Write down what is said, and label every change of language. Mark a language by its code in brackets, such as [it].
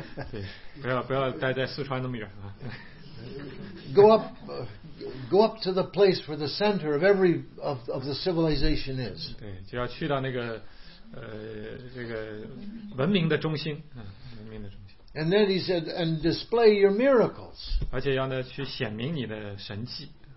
[zh] 对，不要待在四川那么远啊。 [en] go up to the place where the center of every of the civilization is. [zh] 对，就要去到那个这个文明的中心啊，文明的中心。 [en] And then he said, "And display your miracles." [zh] 而且要呢去显明你的神迹。